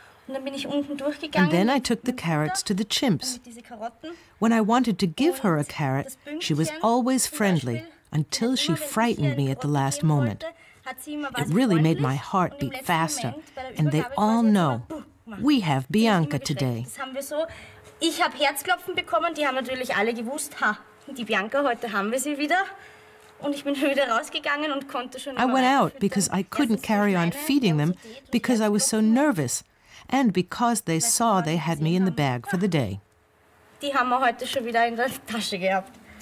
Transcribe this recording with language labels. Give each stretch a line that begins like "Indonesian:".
English: And then I took the carrots to the chimps. When I wanted to give her a carrot, she was always friendly until she frightened me at the last moment. It really made my heart beat faster, and they all know. We have Bianca today.
German: Ich habe Herzklopfen bekommen, die haben natürlich alle gewusst, ha, die Bianca, heute haben wir sie wieder. Und ich bin wieder rausgegangen und konnte schon.
English: I went out because I couldn't carry on feeding them because I was so nervous and because they saw they had me in the bag for the day.
German: Die haben wir heute schon wieder in der Tasche gehabt.